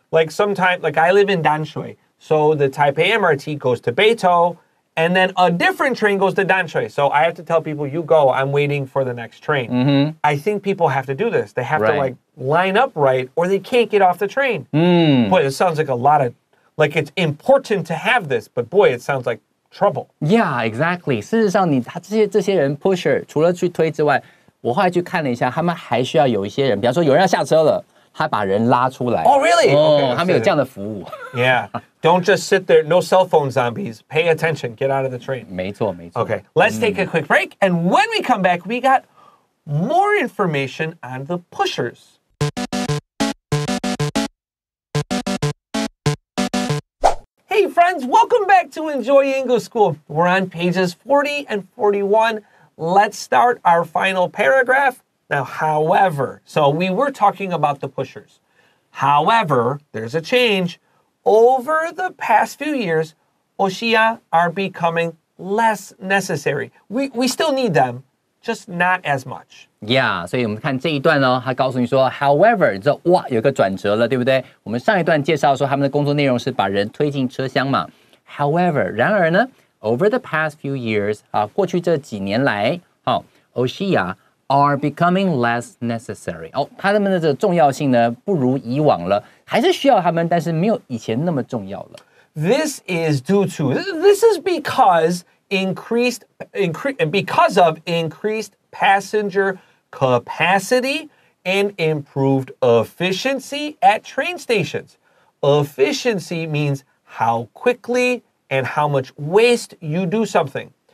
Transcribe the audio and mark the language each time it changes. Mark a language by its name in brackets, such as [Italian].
[English] Like sometimes, like I live in Danshui, so the Taipei MRT goes to Beitou and then a different train goes to Danshui. So I have to tell people, you go, I'm waiting for the next train.、 Mm-hmm. I think people have to do this. They have、right. to like line up right or they can't get off the train.、 Mm. Boy, it sounds like a lot of, like it's important to have this, but boy, it sounds likeTrouble. Yeah, exactly. [Chinese] 事实上你他这些人 pusher 除了去推之外我后来去看了一下他们还需要有一些人比方说有人要下车了他把人拉出来。 [English] Oh, really? Oh, okay, [Chinese] 他们有这样的服务。 [English] Yeah, don't just sit there, no cell phone zombies. Pay attention, get out of the train. 没错没错。 Okay, let's take a quick break. And when we come back, we got more information on the pushers. Hey friends, welcome back to Enjoy English School. We're on pages 40 and 41. Let's start our final paragraph. Now, however, so we were talking about the pushers. However, there's a change. Over the past few years, oshiya are becoming less necessary. We still need them, just not as much. [Chinese] Yeah, 所以我们看这一段哦，他告诉你说 ，however， 你知道哇，有个转折了，对不对？我们上一段介绍说他们的工作内容是把人推进车厢嘛。 [English] However， [Chinese] 然而呢 [English] ，over the past few years， [Chinese] 啊，过去这几年来，好 [English] ，oshiya are becoming less necessary。 [Chinese] 哦，他们的这重要性呢，不如以往了，还是需要他们，但是没有以前那么重要了。 [English] This is due to this is because increased passenger capacity and improved efficiency at train stations. Efficiency means how quickly and how much waste you do something.